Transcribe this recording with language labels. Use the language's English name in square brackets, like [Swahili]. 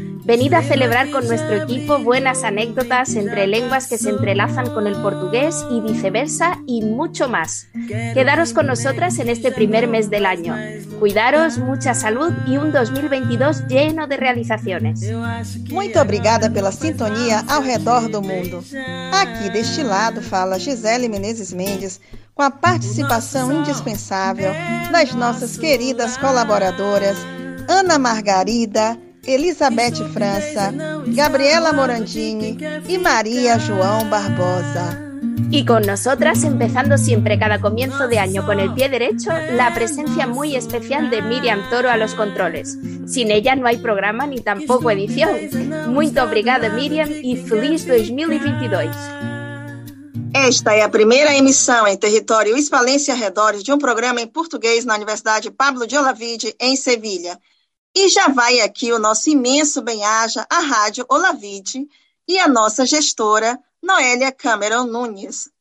[Spanish] Venid a celebrar con nuestro equipo buenas anécdotas entre lenguas que se entrelazan con el portugués y viceversa y mucho más. Quedaros con nosotras en este primer mes del año. Cuidaros, mucha salud y un 2022 lleno de realizaciones. [Portuguese] Muito obrigada pela sintonía ao redor do mundo. Aqui deste lado fala Gisele Menezes Mendes, com a participação indispensável das nossas queridas colaboradoras Ana Margarida, Elizabeth França, Gabriela Morandini e Maria João Barbosa. [Spanish] Y con nosotras, empezando siempre cada comienzo de año con el pie derecho, la presencia muy especial de Miriam Toro a los controles. Sin ella no hay programa ni tampoco edición. [Portuguese] Muito obrigada, Miriam, [Spanish] y feliz [Portuguese] 2022. Esta é a primeira emissão em território hispalense arredores de um programa em português na Universidade Pablo de Olavide, em Sevilha. E já vai aqui o nosso imenso bem-aja à Rádio Olavide e a nossa gestora, Noélia Cameron Nunes.